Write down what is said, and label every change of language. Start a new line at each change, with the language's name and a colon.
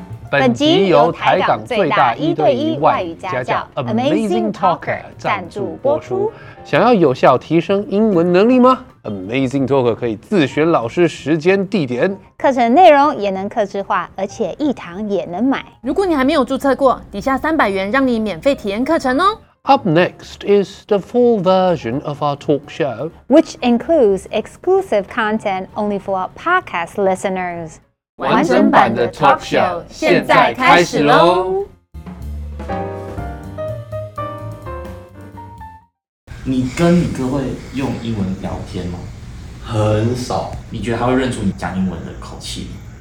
Chinese: 本集由台港最大一对一外语家教 Amazing Talker 赞助播出。想要有效提升英文能力吗？Amazing Talker 可以自选老师时间地点，课程内容也能客制化，而且一堂也能买。如果你还没有注册过，底下300元让你免费体验课程哦。
English: Up next is the full version of our talk show, which includes exclusive content only for our podcast listeners.
Chinese: 完整版的 talk show 现在开始咯。你跟你哥会用英文聊天吗？很少。你觉得他会认出你讲英文的口气吗？